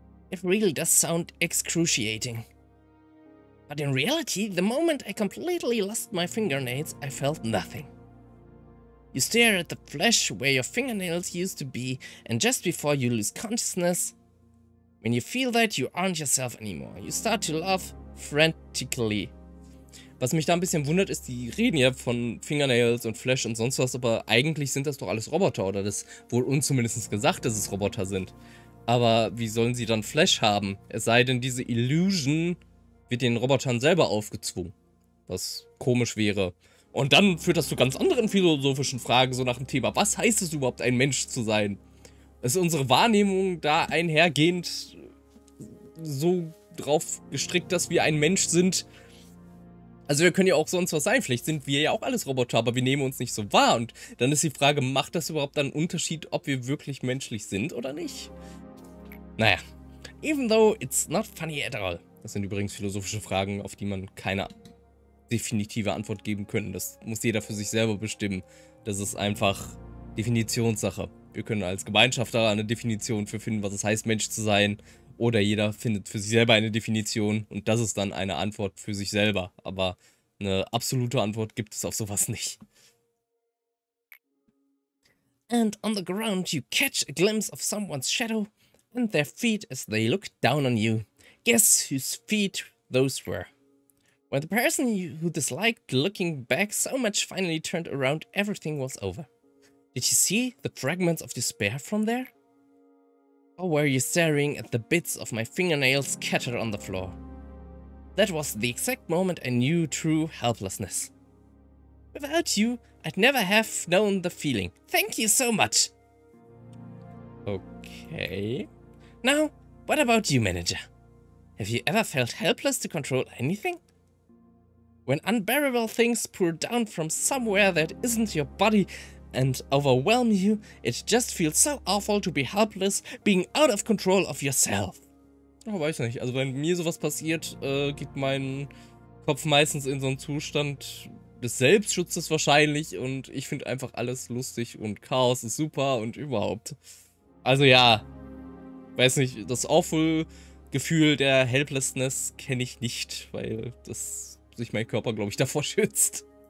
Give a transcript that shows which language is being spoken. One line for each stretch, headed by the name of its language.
English: It really does sound excruciating. But in reality, the moment I completely lost my fingernails, I felt nothing. You stare at the flesh where your fingernails used to be, and just before you lose consciousness, when you feel that, you aren't yourself anymore. You start to laugh frantically.
German: Was mich da ein bisschen wundert, ist, die reden ja von Fingernails und Flash und sonst was, aber eigentlich sind das doch alles Roboter, oder das wurde uns zumindest gesagt, dass es Roboter sind. Aber wie sollen sie dann Flash haben? Es sei denn, diese Illusion wird den Robotern selber aufgezwungen. Was komisch wäre. Und dann führt das zu ganz anderen philosophischen Fragen, so nach dem Thema, was heißt es überhaupt, ein Mensch zu sein? Ist unsere Wahrnehmung da einhergehend so drauf gestrickt, dass wir ein Mensch sind. Also wir können ja auch sonst was sein, vielleicht sind wir ja auch alles Roboter, aber wir nehmen uns nicht so wahr. Und dann ist die Frage, macht das überhaupt einen Unterschied, ob wir wirklich menschlich sind oder nicht?
English: Naja, even though it's not funny at all.
German: Das sind übrigens philosophische Fragen, auf die man keine definitive Antwort geben könnte. Das muss jeder für sich selber bestimmen. Das ist einfach Definitionssache. Wir können als Gemeinschaft da eine Definition für finden, was es heißt, Mensch zu sein. Oder jeder findet für sich selber eine Definition und das ist dann eine Antwort für sich selber. Aber eine absolute Antwort gibt es auf sowas nicht.
English: And on the ground you catch a glimpse of someone's shadow and their feet as they look down on you. Guess whose feet those were. When the person who disliked looking back so much finally turned around, everything was over. Did you see the fragments of despair from there? Or were you staring at the bits of my fingernails scattered on the floor? That was the exact moment I knew true helplessness. Without you, I'd never have known the feeling. Thank you so much! Okay. Now, what about you, manager? Have you ever felt helpless to control anything? When unbearable things pour down from somewhere that isn't your body, and overwhelm you, it just feels so awful to be helpless, being out of control of yourself.
German: Oh, weiß nicht. Also wenn mir sowas passiert, geht mein Kopf meistens in so einen Zustand des Selbstschutzes wahrscheinlich und ich finde einfach alles lustig und Chaos ist super und überhaupt. Also ja, weiß nicht, das Awful-Gefühl der Helplessness kenne ich nicht, weil das sich mein Körper, glaube ich, davor schützt.